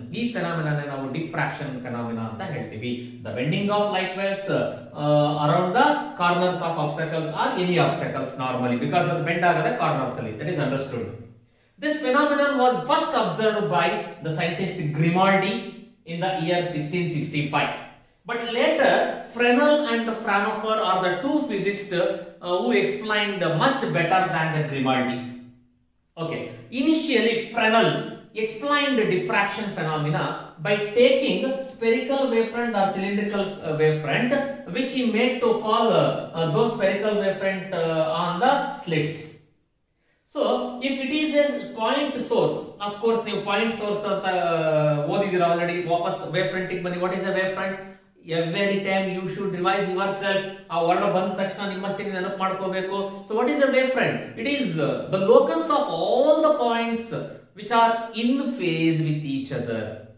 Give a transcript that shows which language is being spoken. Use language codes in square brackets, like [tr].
[kn] ಈ ಫೆನಾಮಿನಾನೇ ನಾವು diffraction phenomena ಅಂತ ಹೇಳ್ತೀವಿ. [en] the bending of light waves around the corners of obstacles or any obstacles normally, because [kn] ಅದು bend ಆಗದೆ ಕಾರ್ನರ್ಸ್ ಅಲ್ಲಿ. [en] That is understood. This phenomenon was first observe by the scientist Grimaldi in the year 1665. But later, Fresnel and Fraunhofer are the two physicists who explained much better than the Grimaldi. Okay, initially Fresnel explained the diffraction phenomena by taking spherical wavefront or cylindrical wavefront, which he made to fall those spherical wavefront on the slits. So, if it is a point source, of course, the point source of the [kn] ನೋಡಿದೀರ already ವಾಪಸ್ [en] wave front ಬನ್ನಿ what is a wave front every time you should revise yourself [kn] ಆ word ಬಂದ ತಕ್ಷಣ ನಿಮ್ಮಷ್ಟೇ ನೆನಪು ಮಾಡ್ಕೋಬೇಕು [en] so what is a wave front it is the locus of all the points which are in phase with each other